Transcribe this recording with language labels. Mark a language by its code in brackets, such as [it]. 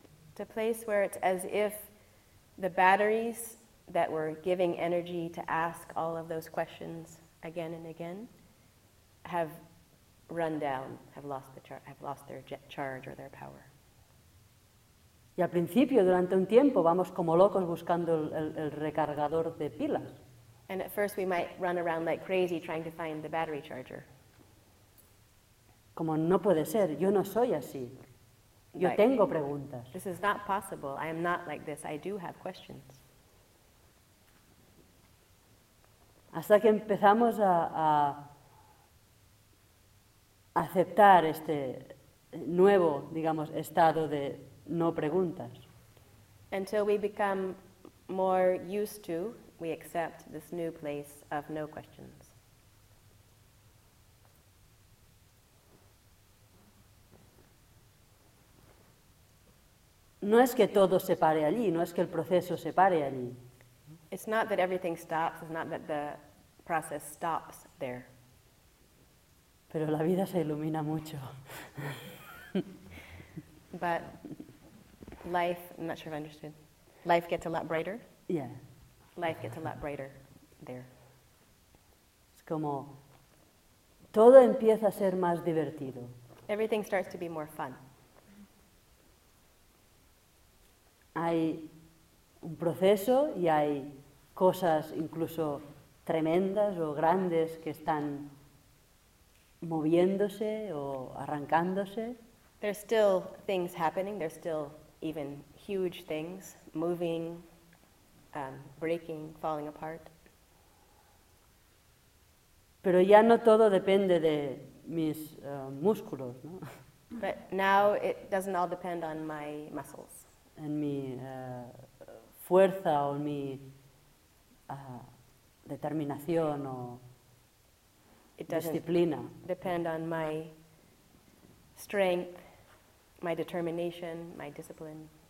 [en] It's a place where it's as if the batteries that were giving energy to ask all of those questions again and again have run down, have lost their charge or their power. [es] Y al principio, durante un tiempo, vamos como locos buscando el recargador de pilas. [en] And at first we might run around like crazy trying to find the battery charger. [es] Como no puede ser, yo no soy así. Yo like, tengo preguntas. [en] This is not possible. I am not like this. I do have questions. [es] Hasta que empezamos a aceptar este nuevo, digamos, estado no preguntas. [en] Until we become more used to, we accept this new place of no questions. [es] No es que todo se pare allí, no es que el proceso se pare allí. [en] It's not that everything stops, it's not that the process stops there. [es] Pero la vida se ilumina mucho. [en] But life, I'm not sure if I understood. Life gets a lot brighter? Yeah. Life gets a lot brighter there. [es] Es como, todo empieza a ser más divertido. [en] Everything starts to be more fun. [es] Hay un proceso y hay cosas incluso tremendas o grandes que están moviéndose o arrancándose. [en] There's still things happening, there's still even huge things moving, breaking, falling apart. [es] Pero ya no todo depende de mis músculos, ¿no? [en] But now it doesn't all depend on my muscles. [es] En mi fuerza o mi determinación o [en] it doesn't [es] disciplina. [en] Depend on my strength, my determination, my discipline.